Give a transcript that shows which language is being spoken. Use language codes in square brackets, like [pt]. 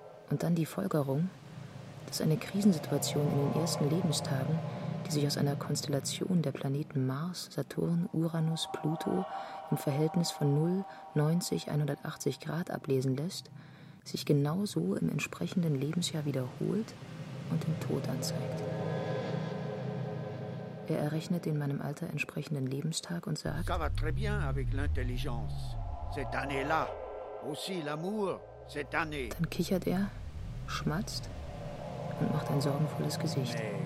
[de] Und dann die Folgerung, dass eine Krisensituation in den ersten Lebenstagen, die sich aus einer Konstellation der Planeten Mars, Saturn, Uranus, Pluto im Verhältnis von 0, 90, 180 Grad ablesen lässt, sich genauso im entsprechenden Lebensjahr wiederholt und den Tod anzeigt. Er errechnet den meinem Alter entsprechenden Lebenstag und sagt: [fr] Ça va très bien avec l'intelligence. Cette année-là, aussi l'amour. [de] Dann kichert er, schmatzt und macht ein sorgenvolles Gesicht.